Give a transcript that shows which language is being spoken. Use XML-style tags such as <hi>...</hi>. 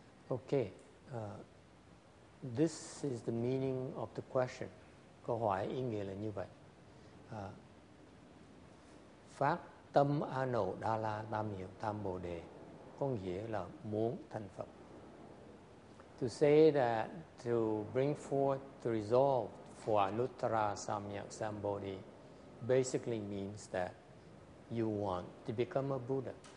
<en>Okay, this is the meaning of the question.</en> <vi>Câu hỏi ý nghĩa là như vậy. Phát tâm an ổn đa la tam hiệu tam bồ đề có nghĩa là muốn thành Phật.</vi> <en>To say that to bring forth the resolve for anuttara samyak sambodhi basically means that you want to become a Buddha.</en>